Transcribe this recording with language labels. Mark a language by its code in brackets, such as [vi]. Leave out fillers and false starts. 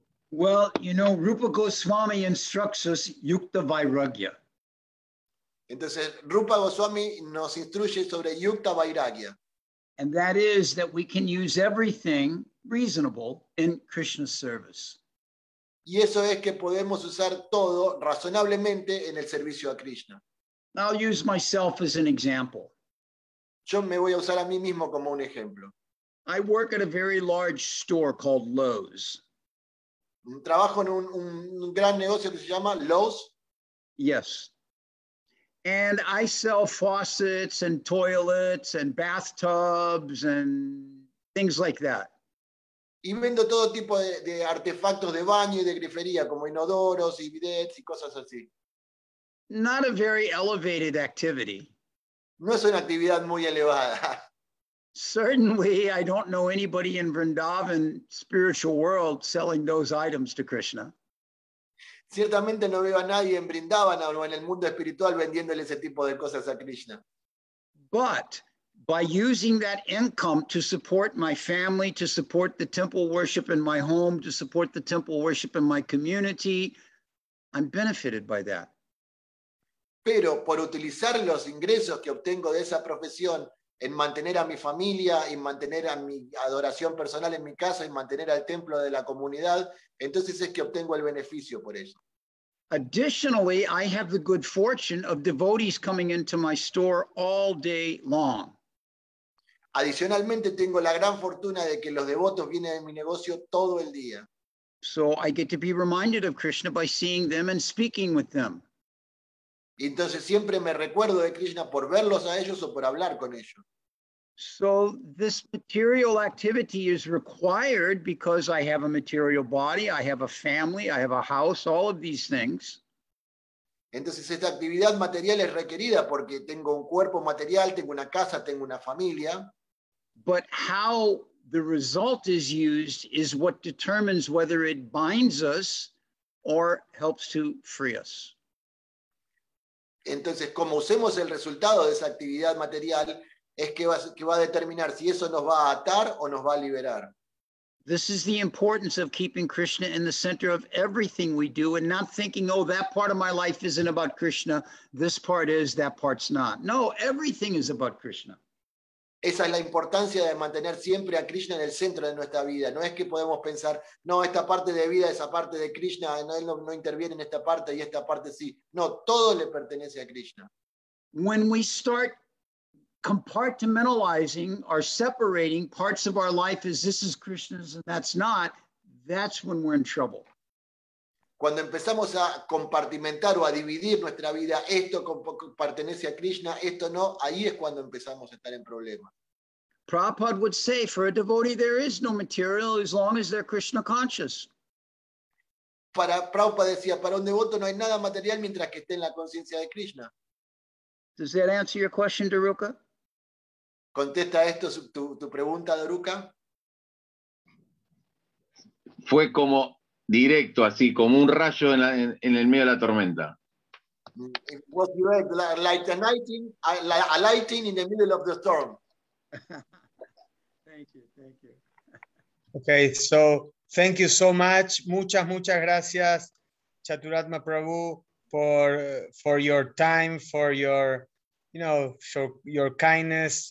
[en] Well, you know, Rupa Goswami instructs us yukta vairagya. [es] Entonces, Rupa Goswami nos instruye sobre yukta vairagya. [en] And that is that we can use everything reasonable in Krishna's service. [es] Y eso es que podemos usar todo razonablemente en el servicio a Krishna. [en] I'll use myself as an example. [es] Yo me voy a usar a mí mismo como un ejemplo. [en] I work at a very large store called Lowe's. [es] Trabajo en un gran negocio que se llama Lowe's. [en] Yes. And I sell faucets and toilets and bathtubs and things like that. [es] Y vendo todo tipo de artefactos de baño y de grifería, como inodoros y bidets y cosas así. [en] Not a very elevated activity. [es] No es una actividad muy elevada. [en] Certainly, I don't know anybody in Vrindavan spiritual world selling those items to Krishna. [es] Ciertamente no veo a nadie en Vrindavan o en el mundo espiritual vendiéndole ese tipo de cosas a Krishna. [en] But by using that income to support my family, to support the temple worship in my home, to support the temple worship in my community, I'm benefited by that. [es] Pero por utilizar los ingresos que obtengo de esa profesión en mantener a mi familia y mantener a mi adoración personal en mi casa y mantener al templo de la comunidad, entonces es que obtengo el beneficio por ello. [en] Additionally, I have the good fortune of devotees coming into my store all day long. [es] Adicionalmente, tengo la gran fortuna de que los devotos vienen a mi negocio todo el día. [en] So I get to be reminded of Krishna by seeing them and speaking with them. [es] Y entonces siempre me recuerdo de Krishna por verlos a ellos o por hablar con ellos. [en] So this material activity is required because I have a material body, I have a family, I have a house, all of these things. [es] Entonces esta actividad material es requerida porque tengo un cuerpo material, tengo una casa, tengo una familia. [en] But how the result is used is what determines whether it binds us or helps to free us. [es] Entonces, como usemos el resultado de esa actividad material, es que va a determinar si eso nos va a atar o nos va a liberar. [en] This is the importance of keeping Krishna in the center of everything we do and not thinking, oh, that part of my life isn't about Krishna, this part is, that part's not. No, everything is about Krishna. [es] Esa es la importancia de mantener siempre a Krishna en el centro de nuestra vida. No es que podemos pensar, no, esta parte de vida, esa parte de Krishna, él no interviene en esta parte y esta parte sí. No, todo le pertenece a Krishna. [en] When we start compartmentalizing or separating parts of our life as this is Krishna's and that's not, that's when we're in trouble. [es] Cuando empezamos a compartimentar o a dividir nuestra vida, esto pertenece a Krishna, esto no, ahí es cuando empezamos a estar en problemas. [en] Prabhupada would say, for a devotee there is no material as long as they're Krishna conscious. [es] Para Prabhupada decía, para un devoto no hay nada material mientras que esté en la conciencia de Krishna. [en] Does that answer your question, Daruka? [es] ¿Contesta esto tu pregunta, Daruka? Fue como directo, así, como un rayo en el medio de la tormenta. [en] It was direct, like a lightning in the middle of the storm. Thank you. Okay, so thank you so much. [es] Muchas gracias, [en] Chaturatma Prabhu, for your time, for your, you know, for your kindness.